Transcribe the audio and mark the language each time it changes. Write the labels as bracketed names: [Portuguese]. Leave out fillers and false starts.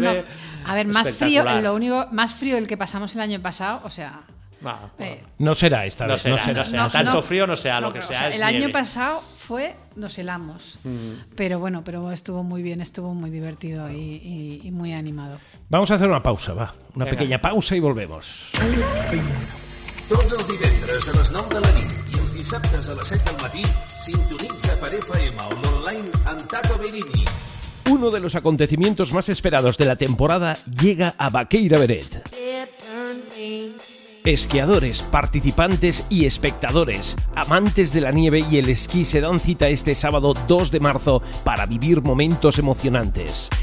[Spanish] Bueno, a ver, más frío, lo único, más frío el que pasamos el año pasado, o sea... No será esta vez. No será. Tanto frío no sea, lo que sea. El año pasado fue, nos helamos. Pero bueno, pero estuvo muy bien, estuvo muy divertido y muy animado. Vamos a hacer una pausa, va. Una pequeña pausa y volvemos. [Catalan] Tots els divendres a les 9 de la nit i els dissabtes a les 7 del matí sintonitza per FM o online amb Tato Berini. [Spanish] Uno de los acontecimientos más esperados de la temporada llega a Baqueira Beret. Esquiadores, participantes y espectadores, amantes de la nieve y el esquí se dan cita este sábado 2 de marzo para vivir momentos emocionantes.